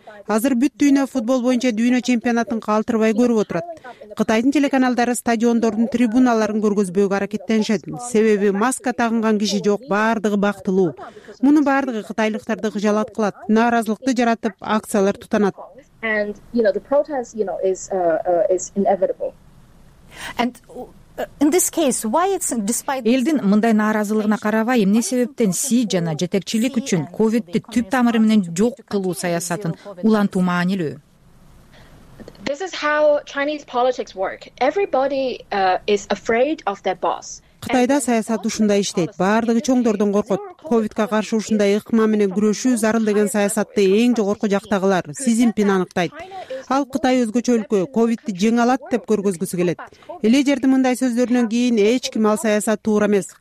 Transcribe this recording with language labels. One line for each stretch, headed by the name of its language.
Kyrgyz: Азыр бүт дүйнө футбол боюнча дүйнө чемпионатын калтырбай көрүп отурат. Кытайдын телеканалдары стадиондордун трибуналарын көргөзбөөгө аракеттенишет. Себеби маска тагынган киши жок, баардыгы бактылуу. Мунун баардыгы кытайлыктарды кыжалат кылат, нааразылыкты жаратып, акциялар тутанат.
English: And you know the protest, you know, is inevitable. And in this case, why it's despite
Kyrgyz: элдин мындай нааразылыгына карабай, эмне себептен Си жана жетекчилик үчүн ковидди түп тамыры менен жок кылуу саясатын улантуу маанилүү?
English: This is how Chinese politics work. Everybody is afraid of their boss.
Kyrgyz: Кытайда саясат ушундай иштейт. Баардыгы чоңдордон коркот. Ковидке каршы ушундай ыкма менен күрөшүү зарыл деген саясатты эң жогорку жактагылар Си Цзиньпин аныктайт. Ал Кытай өзгөчө өлкө, ковидди жеңе алат деп көргөзгүсү келет. Лидердин мындай сөздөрүнөн кийин эч ким ал саясат туура эмес.